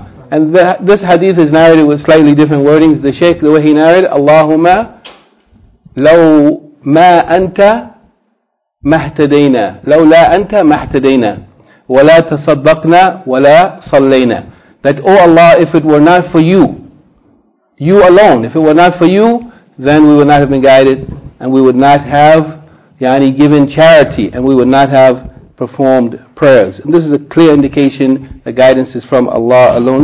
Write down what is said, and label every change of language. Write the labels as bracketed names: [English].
[English] And this hadith is narrated with slightly different wordings. The Shaykh, the way he narrated, [Arabic] Allahumma law ما أنت ما اهتدينا لولا أنت ما اهتدينا ولا تصدقنا ولا صلينا. [English] That, oh Allah, if it were not for you alone, if it were not for you, then we would not have been guided, and we would not have يعني, given charity, and we would not have performed prayers. And this is a clear indication that guidance is from Allah alone.